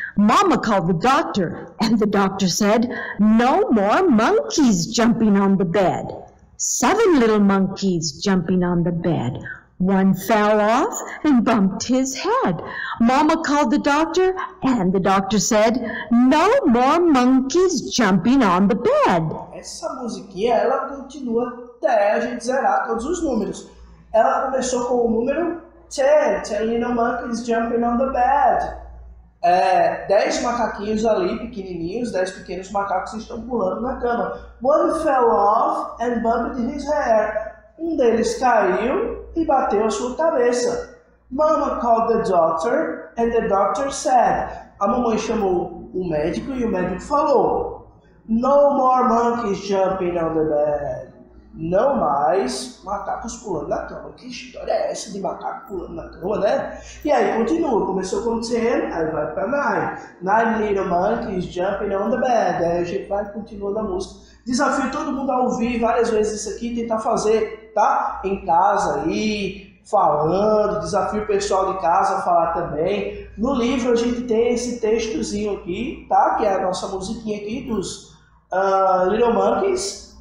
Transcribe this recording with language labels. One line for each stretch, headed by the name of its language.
English: Mama called the doctor, and the doctor said, no more monkeys jumping on the bed. Seven little monkeys jumping on the bed. One fell off and bumped his head. Mama called the doctor, and the doctor said, no more monkeys jumping on the bed.
Portuguese: Essa musiquinha, ela continua até a gente zerar todos os números. Ela começou com o número 10,
English: 10 little monkeys jumping on the bed.
Portuguese: É, 10 macaquinhos ali, pequenininhos, 10 pequenos macacos estão pulando na cama.
English: One fell off and bumped his head.
Portuguese: Um deles caiu e bateu a sua cabeça.
English: Mama called the doctor and the doctor said.
Portuguese: A mamãe chamou o médico e o médico falou.
English: No more monkeys jumping on the bed.
Portuguese: Não mais macacos pulando na cama. Que história é essa de macaco pulando na cama, né? E aí continua. Começou com 10, aí vai pra 9.
English: 9 little monkeys jumping on the bed.
Portuguese: Aí a gente vai continuando a música. Desafio todo mundo a ouvir várias vezes isso aqui e tentar fazer, tá? Em casa aí, falando. Desafio o pessoal de casa a falar também. No livro a gente tem esse textozinho aqui, tá? Que é a nossa musiquinha aqui dos Little Monkeys.